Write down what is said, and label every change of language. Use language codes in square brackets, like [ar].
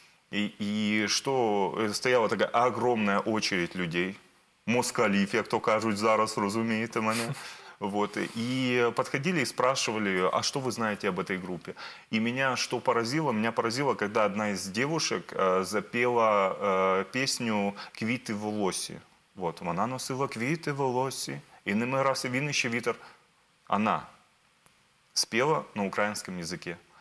[ru] И что стояла такая огромная очередь людей, [uk] москалів, як то кажуть зараз, розумієте мене, [ru] вот, и подходили и спрашивали, а что вы знаете об этой группе? И меня что поразило? Меня поразило, когда одна из девушек запела песню «Квіти в волосі». [uk] Вот, вона носила квіти в волосі, і ними раз і він іще вітер. [ru] Она спела на украинском языке.